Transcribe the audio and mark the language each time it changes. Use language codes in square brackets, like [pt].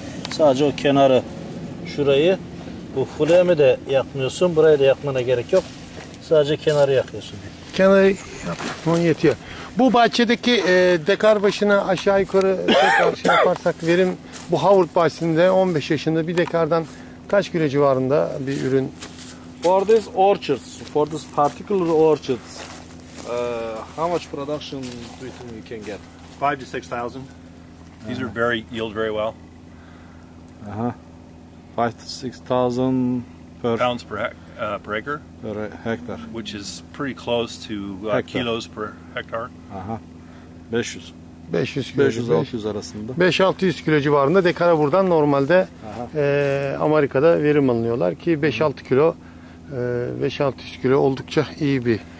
[tr] Sadece o kenarı, şurayı, bu phloem'i de yakmıyorsun, burayı da yakmana gerek yok. Sadece kenarı yakıyorsun. Kenarı yapman yetiyor. Bu bahçedeki dekar başına aşağı yukarı tekrar şey yaparsak verim, bu Howard bahçesinde 15 yaşında bir dekardan kaç kilo civarında bir ürün? [en] For this orchards, for this particular orchards, how much production do you think you can get? 5,000 to 6,000. These are very yield very well. 5,000 to 6,000 per pounds per hectare. Per acre, per hectare, which is pretty close to kilos per hectare. 500. 500 [tr] kilo. 500-600 arasında. 5-600 kilo civarında dekara buradan normalde Amerika'da verim alınıyorlar ki 5-6 kilo, 5-600 kilo oldukça iyi bir.